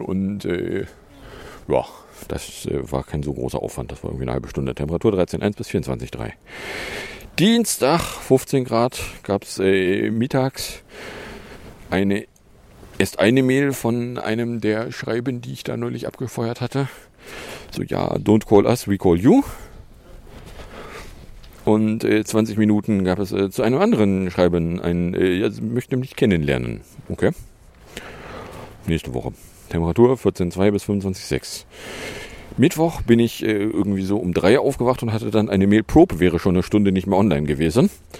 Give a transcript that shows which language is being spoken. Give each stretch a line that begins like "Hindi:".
German: Und ja, das war kein so großer Aufwand. Das war irgendwie eine halbe Stunde. Temperatur 13.1 bis 24.3. Dienstag, 15 Grad, gab es mittags erst eine Mail von einem der Schreiben, die ich da neulich abgefeuert hatte.
English: So, ja, don't call us, we call you.
German: Und 20 Minuten gab es zu einem anderen Schreiben, sie möchte mich kennenlernen. Okay. Nächste Woche. Temperatur 14.2 bis 25.6. Mittwoch bin ich irgendwie so um 3 aufgewacht und hatte dann eine Mail, Probe wäre schon eine Stunde nicht mehr online gewesen.